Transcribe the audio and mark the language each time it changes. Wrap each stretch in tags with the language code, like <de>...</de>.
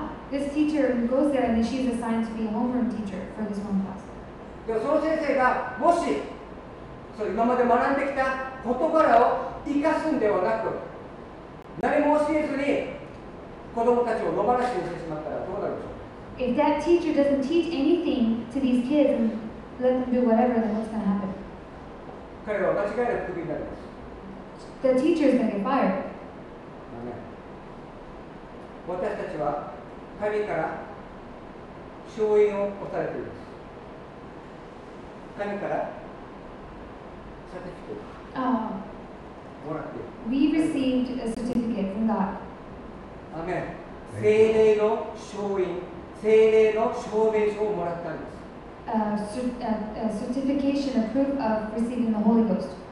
<en>This teacher goes there and she is assigned to be a homeroom teacher for this one class.</en> <ja>でその先生がもし、そう今まで学んできた事柄を生かすんではなく、何も教えずに子どもたちを野放しにしてしまったらどうなるでしょう。</ja> <en>If that teacher doesn't teach anything to these kids and let them do whatever, then what's going to happen?</en> <ja>彼は間違いなくクビになります。</ja> <en>The teacher is going to get fired.</en> <ja>私たちは神から召喚を押されています。神からサテフィケートをもらっている。</ja> <en>We received a certificate from God.</en> <ja>アメン。聖霊の召喚、聖霊の証明書をもらったんです。</ja> <en>A certification, a proof of receiving the Holy Ghost.</en>